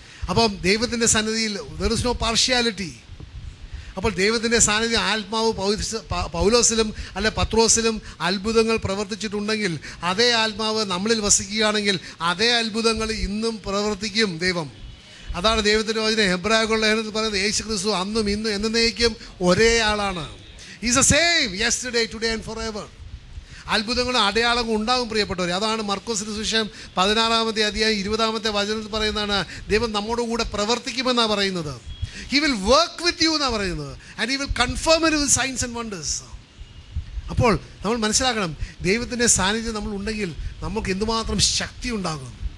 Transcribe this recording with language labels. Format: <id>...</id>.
<ml>അപ്പം ദൈവത്തിൻ്റെ സന്നിധിയിൽ</ml> <en>there is no partiality.</en> <ml>അപ്പോൾ ദൈവത്തിൻ്റെ സാന്നിധ്യം ആത്മാവ് പൗലോസിലും അല്ല പത്രോസിലും അത്ഭുതങ്ങൾ പ്രവർത്തിച്ചിട്ടുണ്ടെങ്കിൽ അതേ ആത്മാവ് നമ്മളിൽ വസിക്കുകയാണെങ്കിൽ അതേ അത്ഭുതങ്ങൾ ഇന്നും പ്രവർത്തിക്കും ദൈവം. അതാണ് ദൈവത്തിൻ്റെ വചനം ഹെബ്രായകളുടെ ലേഖനത്തിൽ പറയുന്നത്, യേശു ക്രിസ്തു അന്നും ഇന്നും എന്നേക്കും ഒരേ ആളാണ്.</ml> <en>Is a same yesterday today and forever.</en> <ml>അത്ഭുതങ്ങളും അടയാളങ്ങളും ഉണ്ടാകും പ്രിയപ്പെട്ടവർ. അതാണ് മർക്കോസിൻ്റെ സുവിശേഷം 16:20 വചനത്തിൽ പറയുന്നതാണ്, ദൈവം നമ്മുടെ കൂടെ പ്രവർത്തിക്കുമെന്നാണ് പറയുന്നത്.</ml> <en>He will work with you</en> <ml>എന്നാണ് പറയുന്നത്.</ml> <en>And he will confirm it with signs and wonders.</en> <ml>അപ്പോൾ നമ്മൾ മനസ്സിലാക്കണം, ദൈവത്തിൻ്റെ സാന്നിധ്യം നമ്മൾ ഉണ്ടെങ്കിൽ നമുക്ക് എന്തുമാത്രം ശക്തി ഉണ്ടാകും.</ml>